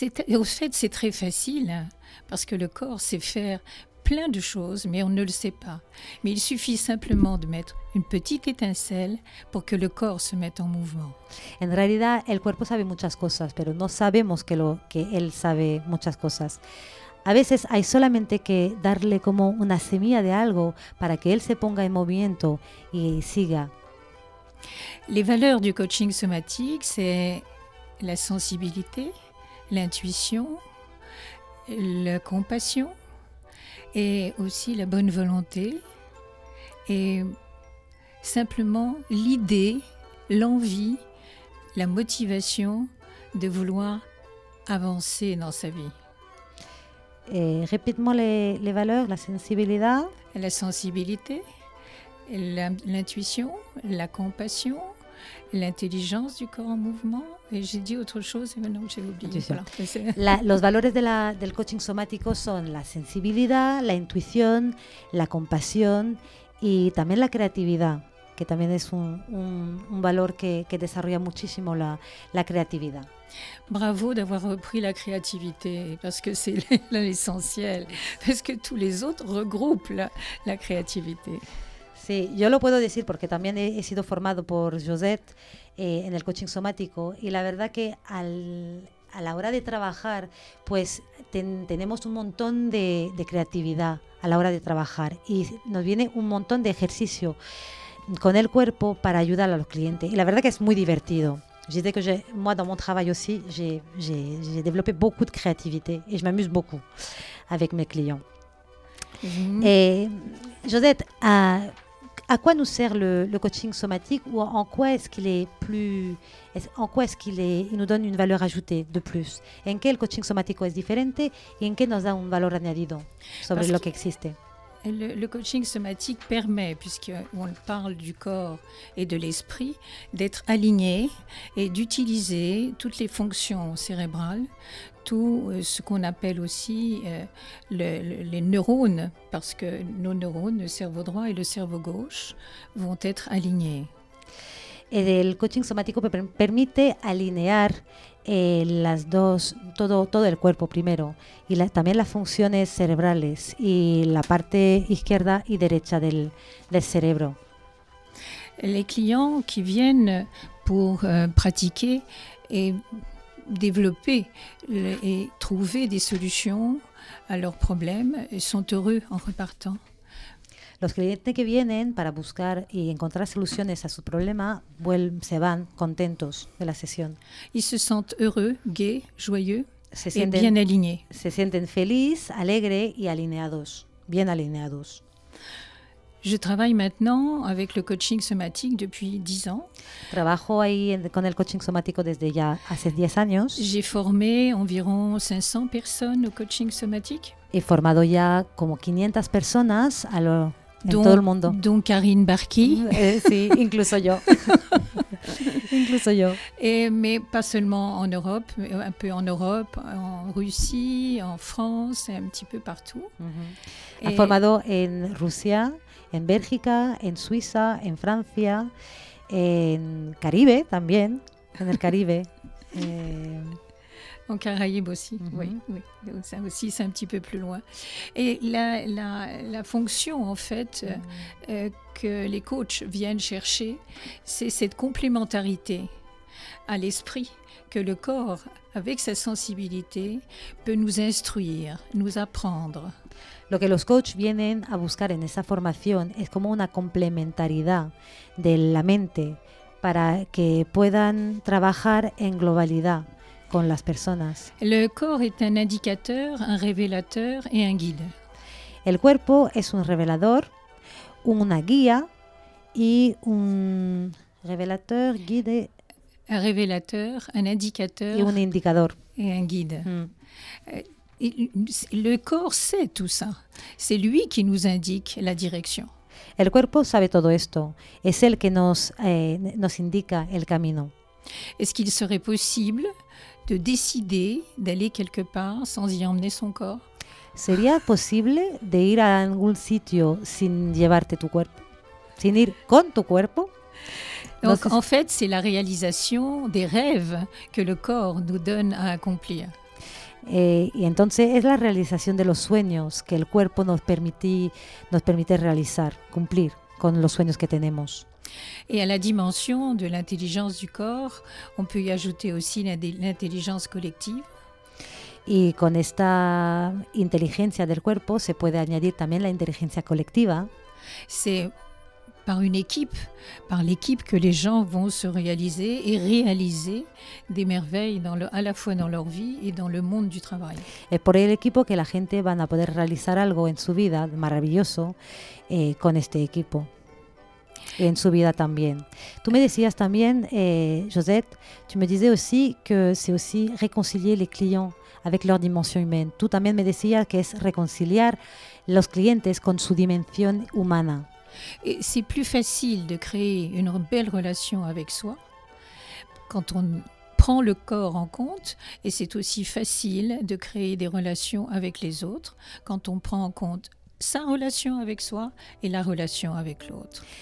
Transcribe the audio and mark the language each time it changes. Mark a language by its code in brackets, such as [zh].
[fr] En fait, c'est très facile, parce que le corps sait faire plein de choses, mais on ne le sait pas. Mais il suffit simplement de mettre une petite étincelle pour que le corps se mette en mouvement. [es] En realidad, el cuerpo sabe muchas cosas, pero no sabemos que él sabe muchas cosas. A veces hay solamente que darle como una semilla de algo para que él se ponga en movimiento y siga. [fr] Les valeurs du coaching somatique, c'est la sensibilité, l'intuition, la compassion, et aussi la bonne volonté et simplement l'idée, l'envie, la motivation de vouloir avancer dans sa vie. Et répète-moi les valeurs, la sensibilité. La sensibilité, l'intuition, la compassion, l'intelligence du corps en mouvement. Et j'ai dit autre chose et maintenant j'ai oublié. Voilà. [es] Los valores del coaching somático son la sensibilidad, la intuición, la compasión y también la creatividad, que también es un valor que desarrolla muchísimo la creatividad. [fr] Bravo d'avoir repris la créativité, parce que c'est l'essentiel, parce que tous les autres regroupent la créativité. [es] Sí, yo lo puedo decir porque también he sido formado por Josette en el coaching somático y la verdad que a la hora de trabajar, pues tenemos un montón de creatividad a la hora de trabajar y nos viene un montón de ejercicio con el cuerpo para ayudar a los clientes. Y la verdad que es muy divertido. [fr] Je dis que moi, dans mon travail aussi, j'ai développé beaucoup de créativité et je m'amuse beaucoup avec mes clients. Mm-hmm. Et, Josette, à quoi nous sert le coaching somatique ou en quoi est-ce qu'il est plus, en quoi est-ce qu'il est, il nous donne une valeur ajoutée de plus? [es] En quel coaching somatico es diferente y en qué nos da un valor añadido sobre lo que existe? [fr] Le coaching somatique permet, puisqu'on parle du corps et de l'esprit, d'être aligné et d'utiliser toutes les fonctions cérébrales, tout ce qu'on appelle aussi les neurones, parce que nos neurones, le cerveau droit et le cerveau gauche, vont être alignés. Et le coaching somatique permet d'aligner [es] las dos, todo el cuerpo primero, y también las funciones cerebrales y la parte izquierda y derecha del cerebro. [fr] Les clients qui viennent pour pratiquer et développer et trouver des solutions à leurs problèmes sont heureux en repartant. [es] Los clientes que vienen para buscar y encontrar soluciones a su problema se van contentos de la sesión. [fr] Ils se sentent heureux, gais, joyeux et bien alignés. [es] Se sienten felices, alegres y alineados, bien alineados. [fr] Je travaille maintenant avec le coaching somatique depuis 10 ans. [es] Trabajo ahí con el coaching somático desde ya hace 10 años. [fr] J'ai formé environ 500 personnes au coaching somatique. [es] He formado ya como 500 personas a lo en todo el mundo. Don Karine Barki. Sí, incluso yo. Incluso yo. [fr] Mais pas seulement en Europe, un peu en Europe, en Russie, en France, un petit peu partout. Uh-huh. [es] Ha formado en Rusia, en Bélgica, en Suiza, en Francia, en Caribe también, en el Caribe. [fr] En Caraïbes aussi, mm-hmm. Oui. Donc ça aussi, c'est un petit peu plus loin. Et la fonction, en fait, que les coachs viennent chercher, c'est cette complémentarité à l'esprit que le corps, avec sa sensibilité, peut nous instruire, nous apprendre. [es] Lo que los coaches vienen a buscar en esa formación es como una complementariedad de la mente para que puedan trabajar en globalidad con las personas. [fr] Le corps est un indicateur, un révélateur et un guide. [es] El cuerpo es un revelador, una guía y [fr] un révélateur, guide. Un révélateur, un indicateur. [es] Y un indicador. [fr] Et un guide. Le corps sait tout ça. C'est lui qui nous indique la direction. [es] El cuerpo sabe todo esto. Es el que nos indica el camino. [fr] Est-ce qu'il serait possible de décider d'aller quelque part sans y emmener son corps? [es] ¿Sería posible de ir a algún sitio sin llevarte tu cuerpo? Sin ir con tu cuerpo? [fr] Donc, en fait, c'est la réalisation des rêves que le corps nous donne à accomplir. [es] Y entonces es la realización de los sueños que el cuerpo nos permite realizar, cumplir con los sueños que tenemos. [fr] Et à la dimension de l'intelligence du corps, on peut y ajouter aussi l'intelligence collective. [es] Y con esta inteligencia del cuerpo se puede añadir también la inteligencia colectiva. [fr] C'est par une équipe, par l'équipe que les gens vont se réaliser et réaliser des merveilles à la fois dans leur vie et dans le monde du travail. [es] Es por el equipo que la gente va a poder realizar algo en su vida maravilloso con este equipo. En su vida también. Tú me decías también, [fr] Josette, tú me disais aussi que c'est aussi réconcilier les clients avec leur dimension humaine. [es] Tú también me decías que es reconciliar los clientes con su dimensión humana. [fr] Et c'est plus facile de créer une belle relation avec soi quand on prend le corps en compte, et c'est aussi facile de créer des relations avec les autres quand on prend en compte sa relation avec soi et la relation avec l'autre.